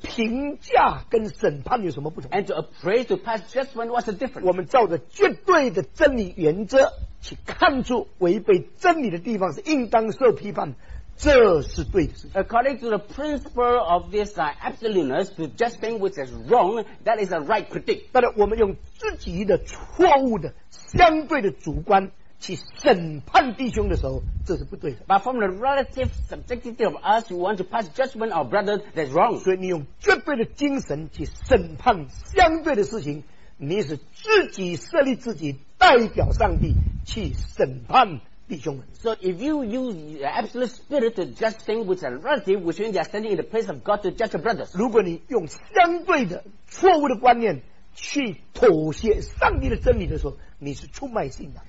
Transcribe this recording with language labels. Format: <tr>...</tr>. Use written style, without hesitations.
<zh>评价跟审判有什么不同</zh> <en>？And to appraise to pass judgment, what's the difference?</en> <zh>我们照着绝对的真理原则去看出违背真理的地方是应当受批判。这是对的事情。</zh> <en>According to the principle of this absoluteness, to just think which is wrong, that is a right critique.</en> <zh>但是我们用自己的错误的相对的主观去审判弟兄的时候，这是不对的。</zh> <en>But from the relative subjectivity of us, we want to pass judgment on brother, that's wrong.</en> <zh>所以你用绝对的精神去审判相对的事情，你是自己设立自己代表上帝去审判。</zh> <en>So if you use the absolute spirit to judge things which are relative, which means they are standing in the place of God to judge your brothers.</en> <zh>如果你用相对的错误的观念去妥协上帝的真理的时候，你是出卖信仰。</zh>